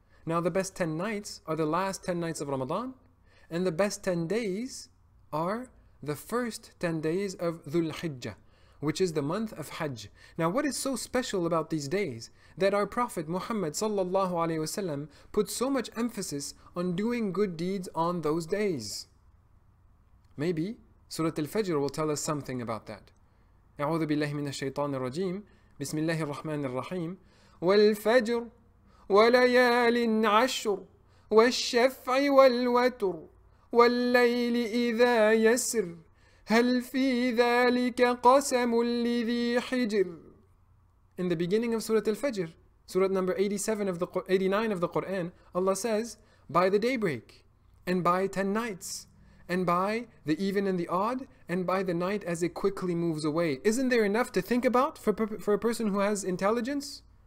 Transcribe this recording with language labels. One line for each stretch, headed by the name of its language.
English: Now the best 10 nights are the last 10 nights of Ramadan, and the best 10 days are the first 10 days of Dhul Hijjah, which is the month of Hajj. Now what is so special about these days that our Prophet Muhammad sallallahu alaihi wasallam put so much emphasis on doing good deeds on those days? Maybe Surah Al-Fajr will tell us something about that.
Arabic: أعوذ بالله من الشيطان الرجيم بسم الله الرحمن الرحيم والفجر وليال عشر والشفع والوتر والليل إذا يسر هل في ذلك قسم لذي حجر.
English: In the beginning of Surah Al-Fajr, Surah number 89 of the Quran, Allah says, by the daybreak and by 10 nights and by the even and the odd, and by the night as it quickly moves away. Isn't there enough to think about for a person who has intelligence?